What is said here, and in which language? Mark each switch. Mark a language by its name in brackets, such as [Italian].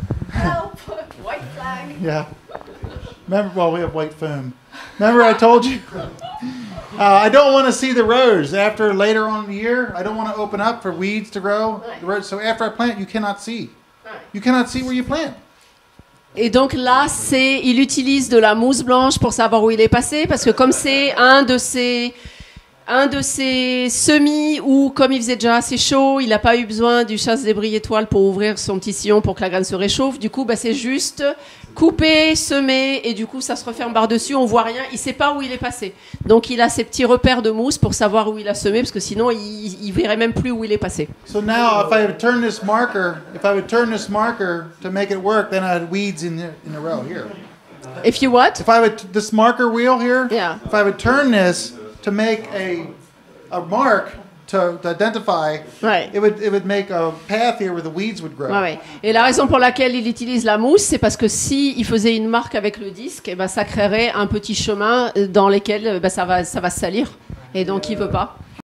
[English] Help! White flag! Yeah. Remember, well, we have white foam. Remember I told you... I don't want to see the rows after later on in the year. I don't want to open up for weeds to grow. The rows, so after I plant, you cannot see. You cannot see where you plant. [French] Et donc là, il utilise de la mousse blanche pour savoir où il est passé, parce que comme c'est un de ces... Un de ces semis où, comme il faisait déjà assez chaud, il n'a pas eu besoin du chasse-débris étoile pour ouvrir son petit sillon pour que la graine se réchauffe. Du coup, c'est juste couper, semer, et du coup, ça se referme par-dessus. On ne voit rien. Il ne sait pas où il est passé. Donc, il a ses petits repères de mousse pour savoir où il a semé, parce que sinon, il ne verrait même plus où il est passé. [English] So now, if I would turn this marker, if I would turn this marker to make it work, then I had weeds in a row here. If you what? If I would, this marker wheel here, yeah. If I would turn this... To make a mark to identify, right. it would make a path here where the weeds would grow. [French] Ah, oui. Et la raison pour laquelle il utilise la mousse, c'est parce que si il faisait une marque avec le disque, eh ben ça créerait un petit chemin dans lequel ben ça va salir. Et donc il veut pas.